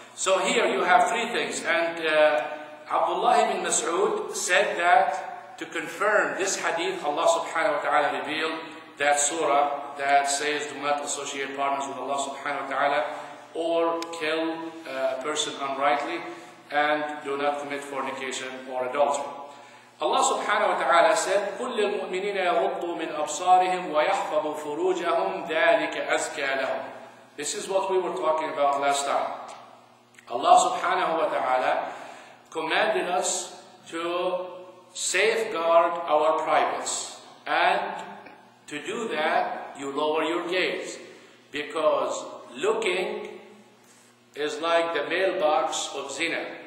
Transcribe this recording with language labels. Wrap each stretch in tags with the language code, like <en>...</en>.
<en>So here you have three things, and Abdullah ibn Mas'ud said that to confirm this hadith, Allah subhanahu wa ta'ala revealed that surah that says, do not associate partners with Allah subhanahu wa ta'ala or kill a person unrightly and do not commit fornication or adultery. Allah subhanahu wa ta'ala said,</en> <ar>قُلْ لِلْمُؤْمِنِينَ يَغُضُّوا مِنْ أَبْصَارِهِمْ وَيَحْفَظُوا فُرُوجَهُمْ ذَلِكَ أَزْكَى لَهُمْ.</ar> <en>This is what we were talking about last time. Allah subhanahu wa ta'ala commanded us to safeguard our privates. And to do that, you lower your gaze. Because looking is like the mailbox of zina.</en>